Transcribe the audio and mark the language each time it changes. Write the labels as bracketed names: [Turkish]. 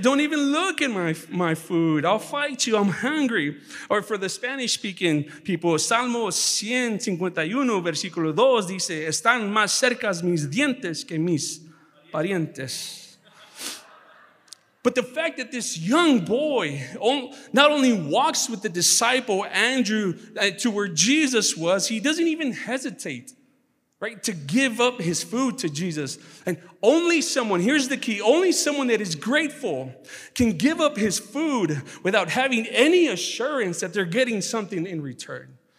[English] Don't even look at my food. I'll fight you. I'm hungry. Or for the Spanish-speaking people, [Spanish] Salmo 151, versículo 2, dice, están más cerca mis dientes que mis parientes. [English] But the fact that this young boy not only walks with the disciple Andrew to where Jesus was, he doesn't even hesitate, right, to give up his food to Jesus. And only someone, here's the key, only someone that is grateful can give up his food without having any assurance that they're getting something in return.